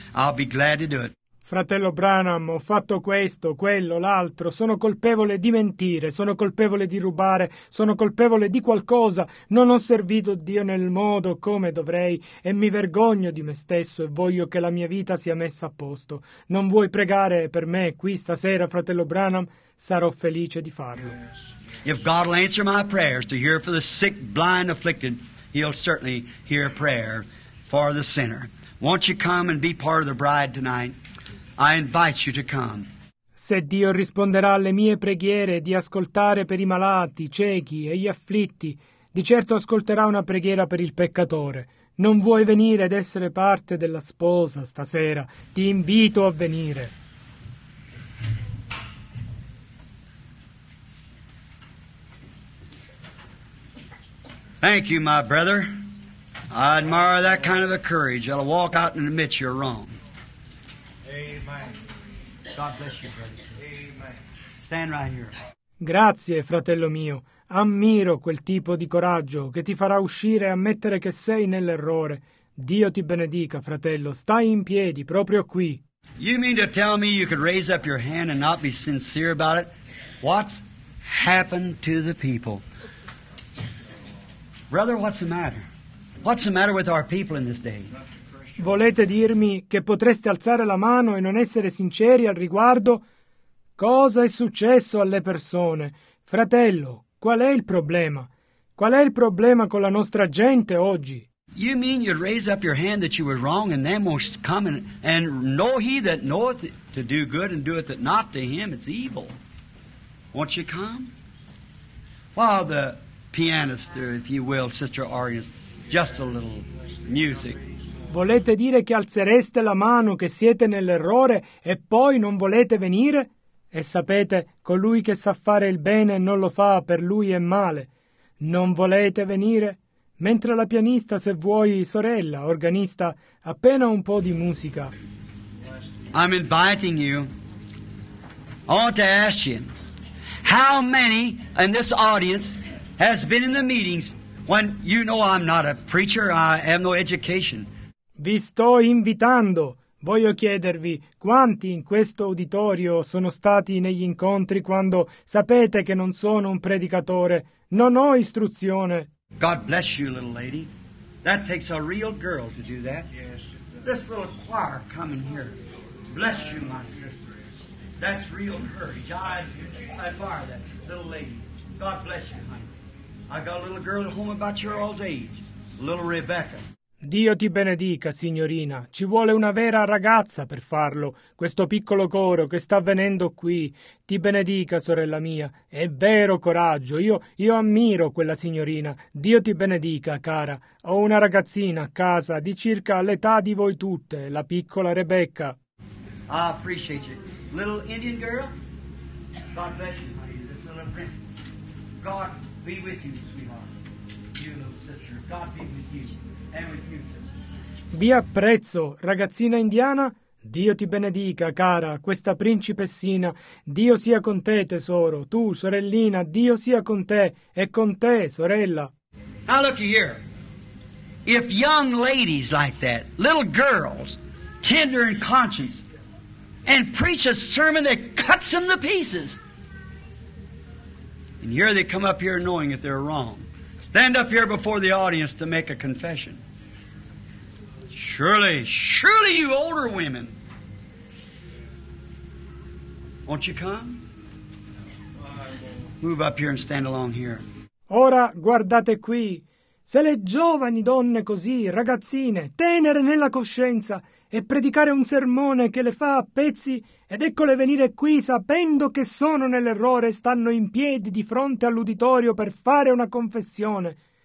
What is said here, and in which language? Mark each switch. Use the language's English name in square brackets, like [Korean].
[English] I'll be glad to do it. [Italian] Fratello Branham, ho fatto questo, quello, l'altro, sono colpevole di mentire, sono colpevole di rubare, sono colpevole di qualcosa, non ho servito Dio nel modo come dovrei e mi vergogno di me stesso e voglio che la mia vita sia messa a posto. Non vuoi pregare per me qui stasera, fratello Branham? Sarò felice di farlo. [English] If God will answer my prayers to hear for the sick, blind, afflicted, he'll certainly hear a prayer for the sinner. Won't you come and be part of the bride tonight? I invite you to come. [Italian] Se Dio risponderà alle mie preghiere di ascoltare per i malati, i ciechi e gli afflitti, di certo ascolterà una preghiera per il peccatore. Non vuoi venire ed essere parte della sposa stasera? Ti invito a venire. [English] Thank you, my brother. I admire that kind of a courage. I'll walk out and admit you're wrong. Amen. God bless you, brother. Amen. Stand right here. [Italian] Grazie, fratello mio. Ammiro quel tipo di coraggio che ti farà uscire e ammettere che sei nell'errore. Dio ti benedica, fratello. Stai in piedi proprio qui. [English] You mean to tell me you could raise up your hand and not be sincere about it? What's happened to the people? Brother, what's the matter? What's the matter with our people in this day? [Italian] Volete dirmi che potreste alzare la mano e non essere sinceri al riguardo? Cosa è successo alle persone? Fratello, qual è il problema? Qual è il problema con la nostra gente oggi? [English] You mean you'd raise up your hand that you were wrong and them must come and know he that knoweth to do good and doeth it not to him it's evil. Won't you come? While the pianist, if you will, Sister Arias, just a little music. [Italian] Volete dire che alzereste la mano, che siete nell'errore e poi non volete venire? E sapete, colui che sa fare il bene e non lo fa, per lui è male. Non volete venire? Mentre la pianista, se vuoi, sorella, organista, appena un po' di musica. [English] I'm inviting you. I want to ask you, how many in this audience has been in the meetings when you know I'm not a preacher, I have no education? [Italian] Vi sto invitando. Voglio chiedervi quanti in questo uditorio sono stati negli incontri quando sapete che non sono un predicatore. Non ho istruzione. [English] God bless you, little lady. That takes a real girl to do that. Yes. This little choir coming here. Bless you, my sister. That's real courage. I admire that little lady. God bless you, honey. I got a little girl at home about your all's age. little Rebecca. [Italian] Dio ti benedica, signorina. Ci vuole una vera ragazza per farlo, questo piccolo coro che sta venendo qui. Ti benedica, sorella mia. È vero coraggio. Io ammiro quella signorina. Dio ti benedica, cara. Ho una ragazzina a casa di circa l'età di voi tutte, la piccola Rebecca. [English] I appreciate you. Little Indian girl? God bless you, my dear. This little princess. God be with you, sweetheart. You little sister. God be with you. And with you, sister. [Italian] Vi apprezzo, ragazzina indiana. Dio ti benedica, cara, questa principessina. Dio sia con te, tesoro. Tu, sorellina, Dio sia con te. E con te, sorella. [English] Now look here. If young ladies like that, little girls, tender in conscience, and preach a sermon that cuts them to pieces. And here they come up here knowing that they're wrong. Stand up here before the audience to make a confession. Surely, surely you older women. Won't you come? Move up here and stand along here. [Italian] Ora guardate qui. Se le giovani donne così, ragazzine, tenere nella coscienza, e predicare un sermone che le fa a pezzi, ed eccole venire qui sapendo che sono nell'errore, stanno in piedi di fronte all'uditorio per fare una confessione.